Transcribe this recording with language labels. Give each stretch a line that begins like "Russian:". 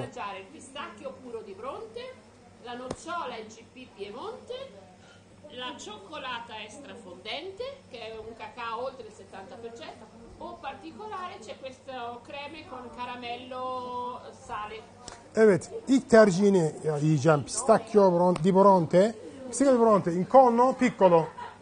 Italian: Assaggiare il pistacchio puro di Bronte, la nocciola IGP Piemonte, la cioccolata extra fondente, che è un cacao oltre il 70%, o particolare c'è questo creme con caramello sale.
Turkish: Evet, ilk tercihini yiyeceğim.
Italian: Pistacchio di Bronte. Pistacchio di Bronte, in cono piccolo.